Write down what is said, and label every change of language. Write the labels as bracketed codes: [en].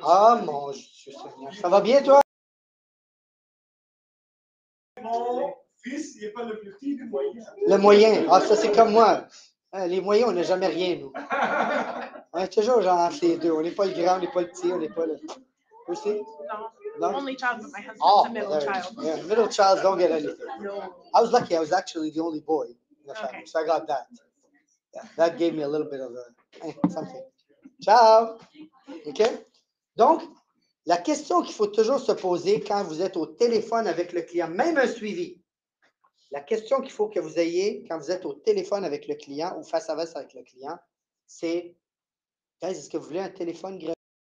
[fr] Ah, mon Dieu, Seigneur. Ça va bien, toi? Mon fils, il n'est pas le plus petit du moyen. Le moyen. Ah, ça, c'est comme moi. Les moyens, on n'a jamais rien, nous. On est toujours genre entre les deux. On n'est pas le grand, on n'est pas le petit, on n'est pas le... Vous aussi? Non. [en] Only child, but my husband is a middle child. Yeah, middle child, don't get any. No. I was lucky, I was actually the only boy. Okay. So I got that. Yeah, that gave me a little bit of something. Ciao! OK? [fr] Donc, la question qu'il faut toujours se poser quand vous êtes au téléphone avec le client, même un suivi, la question qu'il faut que vous ayez quand vous êtes au téléphone avec le client ou face à face avec le client, c'est, guys, est-ce que vous voulez un téléphone gratuit?